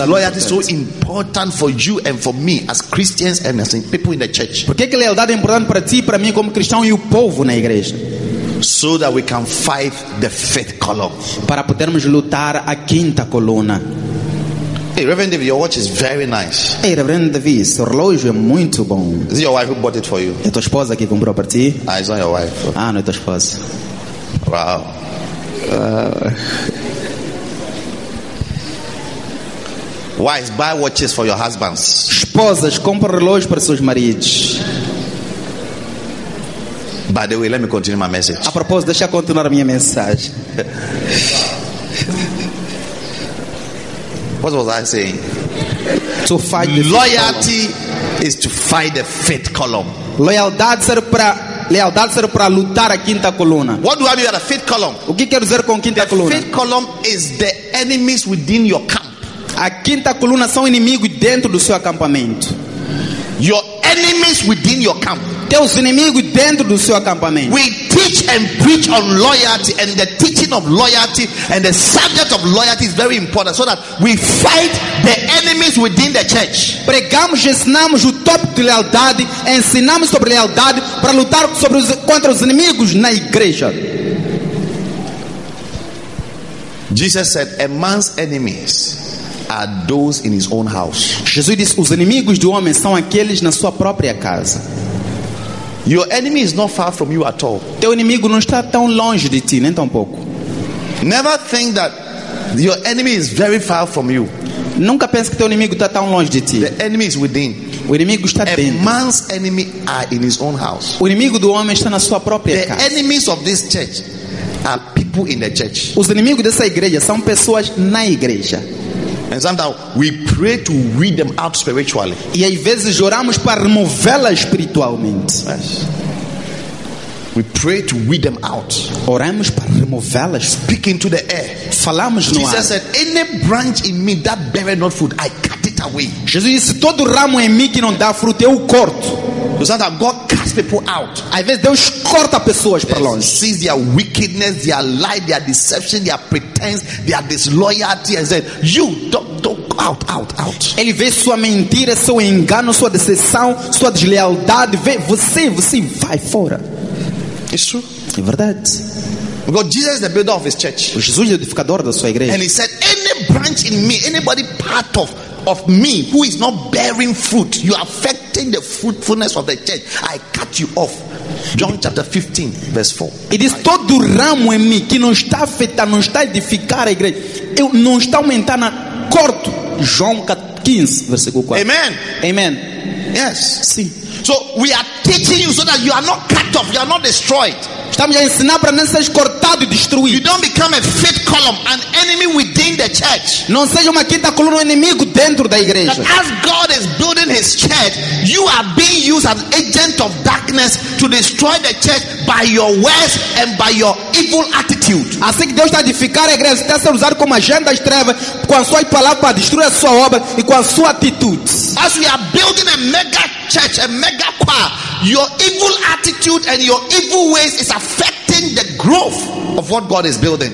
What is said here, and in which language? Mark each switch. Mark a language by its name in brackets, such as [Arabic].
[English] Why is loyalty so important for you and for me as Christians and as people in the church? [Portuguese] Por que que lealdade é importante para ti, para mim como cristão e o povo na igreja? [English] So that we can fight the fifth column. [Portuguese] Para podermos lutar a quinta coluna. [English] Hey, Reverend David, your watch is very nice. [Portuguese] Hey, Reverend David, seu relógio é muito bom. [English] Is it your wife who bought it for you? [Portuguese] É tua esposa que comprou para ti? [English] Ah, it's not your wife. [Portuguese] Ah, não é tua esposa. [English] Wow. Wives, buy watches for your husbands. [Portuguese] Esposas, compra relógio para seus maridos. [English] By the way, let me continue my message. [Portuguese] A propósito, deixa eu continuar a minha mensagem. [English] What was I saying? To fight the loyalty column. Is to fight the fifth column. [Portuguese] Lealdade serve para lutar a quinta coluna. [English] What do I mean by the fifth column? [Portuguese] O que quer dizer com quinta coluna? [English] The fifth column is the enemies within your camp. [Portuguese] A quinta coluna são inimigos dentro do seu acampamento. [English] Your enemies within your camp. [Portuguese] Teus inimigos dentro do seu acampamento. [English] We teach and preach on loyalty, and the teaching of loyalty and the subject of loyalty is very important, so that we fight the enemies within the church. [Portuguese] Pregamos, ensinamos o tópico de lealdade, ensinamos sobre lealdade para lutar contra os inimigos na igreja. [English] Jesus said, "A man's enemies are those in his own house." [Portuguese] Jesus disse, os inimigos do homem são aqueles na sua própria casa. [English] Your enemy is not far from you at all. [Portuguese] Teu inimigo não está tão longe de ti, nem tão pouco. [English] Never think that your enemy is very far from you. [Portuguese] Nunca pense que teu inimigo está tão longe de ti. [English] The enemy is within. [Portuguese] O inimigo está dentro. [English] A man's enemy are in his own house. [Portuguese] O inimigo do homem está na sua própria casa. [English] The enemies of this church are people in the church. [Portuguese] Os inimigos dessa igreja são pessoas na igreja. [English] And sometimes we pray to weed them out spiritually. [Portuguese] E às vezes oramos para removê-la espiritualmente. [English] Yes. We pray to weed them out. [Portuguese] Oramos para removê-la. [English] Speaking to the air. [Portuguese] Falamos no [English] Jesus [Portuguese] ar. [English] Jesus said, "Any branch in me that beareth not fruit, I cut it away." [Portuguese] Jesus disse, todo ramo em mim que não dá fruto, eu corto. [English] God casts people out. [Portuguese] Às vezes Deus corta pessoas para longe. [English] He sees their wickedness, their lie, their deception, their pretense, their disloyalty, and says, "You don't out, out, out." [Portuguese] Ele vê sua mentira, seu engano, sua decepção, sua deslealdade. Vê você vai fora. [English] It's true. [Portuguese] É verdade. [English] Because Jesus is the builder of His church. [Portuguese] O Jesus é o edificador da sua igreja. [English] And He said, "Any branch in me, anybody part of me who is not bearing fruit, you are affecting the fruitfulness of the church, I cut you off." John chapter 15 verse 4. [Portuguese] E diz, todo ramo em mim que não está afetar, não está edificar a igreja, eu não está aumentar na corto. João 15 versículo 4. [English] Amen. Amen. Yes. [Portuguese] Sim. [English] So we are teaching you so that you are not cut off, you are not destroyed. [Portuguese] Estamos a ensinar para não seres cortado e destruído. [English] You don't become a fifth column, an enemy within the church. [Portuguese] Não seja uma quinta coluna, um inimigo dentro da igreja. [English] But as God is building His church, you are being used as agent of darkness to destroy the church by your words and by your evil attitude. [Portuguese] Assim que Deus está a edificar a igreja, você está a usar como agenda das trevas com as suas palavras para destruir a sua obra e com a sua atitude. [English] As we are building a mega church, a mega choir, your evil attitude and your evil ways is affecting the growth of what God is building.